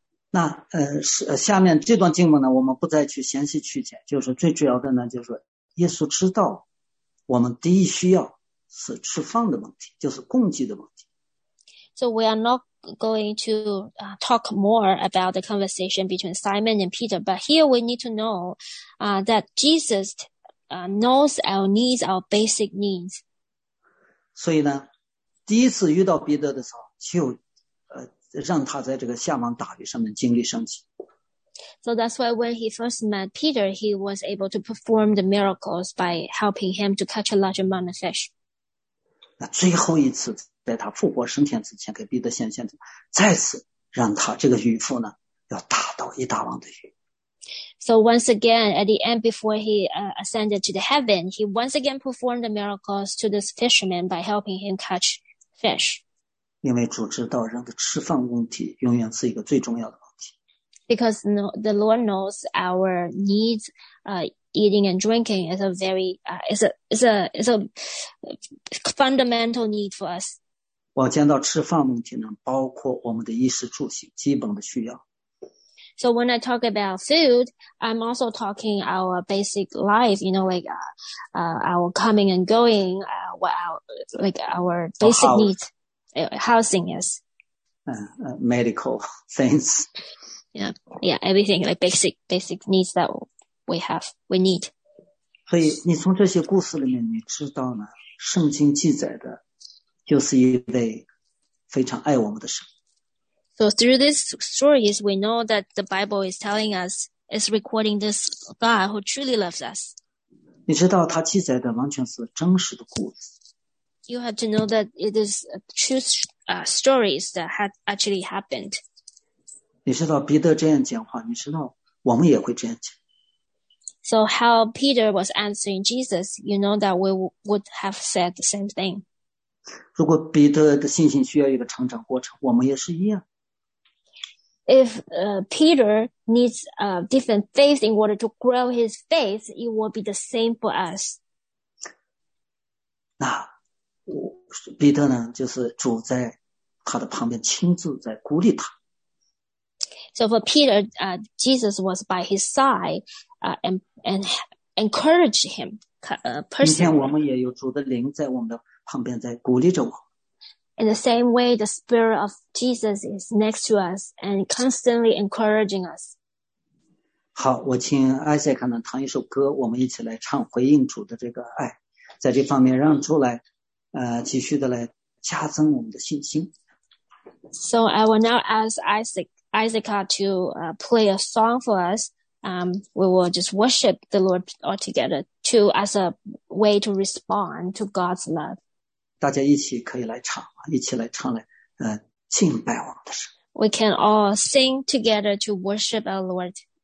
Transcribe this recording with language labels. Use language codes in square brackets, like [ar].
[zh] 那下面这段经文呢，我们不再去详细去解，就是最主要的呢，就是耶稣知道我们第一需要是吃饭的问题，就是供给的问题。 [en] So we are not going to talk more about the conversation between Simon and Peter, but here we need to know that Jesus knows our needs, our basic needs. [zh] 所以呢，第一次遇到彼得的时候，就让他在这个下网打鱼上面经历神迹。 [en] So that's why when he first met Peter, he was able to perform the miracles by helping him to catch a large amount of fish. [zh] 那最后一次在他复活升天之前给彼得显现，再次让他这个渔夫呢要打到一大网的鱼。 [en] So once again, at the end, before he ascended to the heaven, he once again performed the miracles to this fisherman by helping him catch fish. [zh] 因为主知道人的吃饭问题永远是一个最重要的问题。 [en] Because the Lord knows our needs, eating and drinking is a very, is a fundamental need for us. [zh] 我见到吃饭问题呢，包括我们的衣食住行基本的需要。 [en] So when I talk about food, I'm also talking our basic life, you know, like our coming and going, our basic needs, housing, yes. Medical things. Yeah, everything, like basic needs that we have, we need. [zh] 所以你从这些故事里面你知道呢，圣经记载的就是一位非常爱我们的神。 [en] So through these stories, we know that the Bible is telling us, is recording this God who truly loves us. [zh] 你知道他记载的完全是真实的故事。 [en] You have to know that it is true stories that had actually happened. [zh] 你知道彼得这样讲话，你知道我们也会这样讲。 [en] So how Peter was answering Jesus, you know that we would have said the same thing. [zh] 如果彼得的信心需要一个成长过程，我们也是一样。 [en] If Peter needs a different faith in order to grow his faith, it will be the same for us. [zh] 那彼得呢，就是主在他的旁边亲自在鼓励他。 [en] So for Peter, Jesus was by his side, and encouraged him. Personally. [zh] 今天我们也有主的灵在我们的旁边在鼓励着我。 [en] In the same way, the Spirit of Jesus is next to us and constantly encouraging us. [zh] 好，我请 Isaac 呢弹一首歌，我们一起来唱回应主的这个爱，在这方面让主来，继续的来加增我们的信心。 [en] So I will now ask Isaac to play a song for us. We will just worship the Lord altogether to as a way to respond to God's love. [zh] 大家一起可以来唱，一起来唱来，敬拜我们的神。 [en] We can all sing together to worship our Lord.